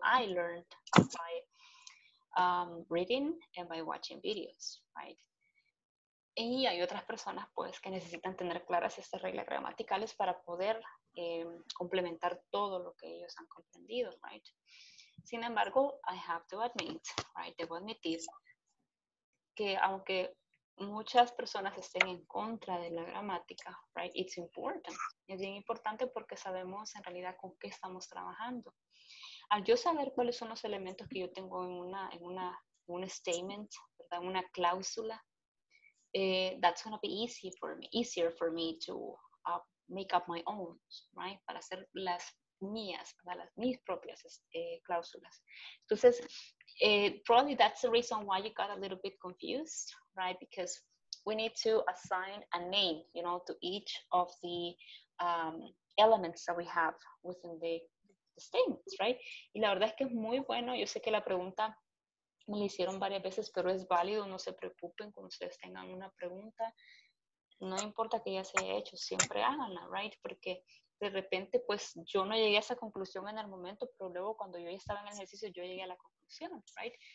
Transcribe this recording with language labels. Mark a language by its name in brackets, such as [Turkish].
[English] I learned by reading and by watching videos, right? [Spanish] Y hay otras personas, pues, que necesitan tener claras estas reglas gramaticales para poder complementar todo lo que ellos han comprendido, right? Sin embargo, [English] I have to admit, [Spanish] right? Debo admitir que aunque muchas personas estén en contra de la gramática, right, [English] it's important. [Spanish] Es bien importante porque sabemos en realidad con qué estamos trabajando. Al yo saber cuáles son los elementos que yo tengo en un statement, ¿verdad? Una cláusula, [English] that's going to be easier for me to make up my own, right, [Spanish] para hacer las mías, mis propias cláusulas. [English] Entonces, probably that's the reason why you got a little bit confused, right? Because we need to assign a name, you know, to each of the elements that we have within the statements, right? [Spanish] Y la verdad es que es muy bueno. Yo sé que la pregunta me la hicieron varias veces, pero es válido. No se preocupen cuando ustedes tengan una pregunta. No importa que ya se haya hecho, siempre háganla, right? Porque de repente, pues, yo no llegué a esa conclusión en el momento, pero luego cuando yo ya estaba en el ejercicio, yo llegué a la conclusión, right?